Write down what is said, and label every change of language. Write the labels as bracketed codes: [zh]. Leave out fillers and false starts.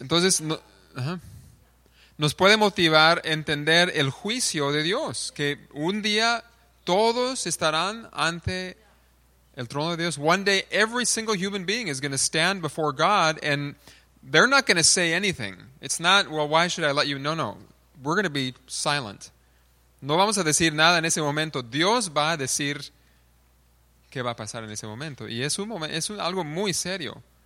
[es] Entonces, nos puede motivar entender el juicio de Dios, que un día todos estarán ante el trono de Dios. [en] One day, every single human being is going to stand before God, and they're not going to say anything. It's not, well, why should I let you? No, no. We're going to be silent. [es] No vamos a decir nada en ese momento. Dios va a decir qué va a pasar en ese momento. Y es algo muy serio.